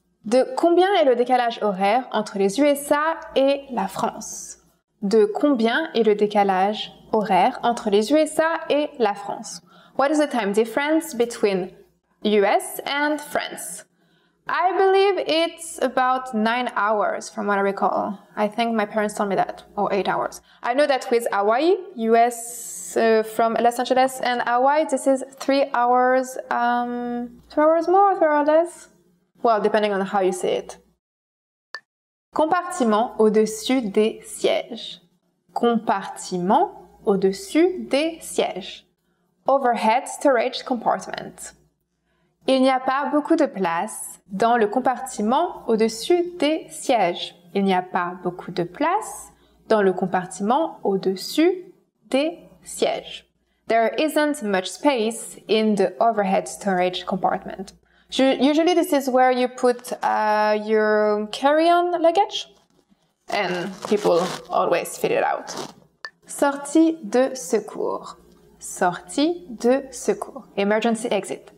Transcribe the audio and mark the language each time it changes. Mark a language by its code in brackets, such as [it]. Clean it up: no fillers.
[fr] De combien est le décalage horaire entre les USA et la France? De combien est le décalage horaire entre les USA et la France? [en] What is the time difference between US and France? I believe it's about 9 hours from what I recall. I think my parents told me that, or 8 hours. I know that with Hawaii, US from Los Angeles and Hawaii, this is 3 hours, 2 hours more, 3 hours less. Well, depending on how you say it. [fr] Compartiment au-dessus des sièges. Compartiment au-dessus des sièges. [en] Overhead storage compartment. [fr] Il n'y a pas beaucoup de place dans le compartiment au-dessus des sièges. Il n'y a pas beaucoup de place dans le compartiment au-dessus des sièges. [en] There isn't much space in the overhead storage compartment. Usually this is where you put your carry-on luggage and people always fill it out. [fr] Sortie de secours. Sortie de secours. [en] Emergency exit.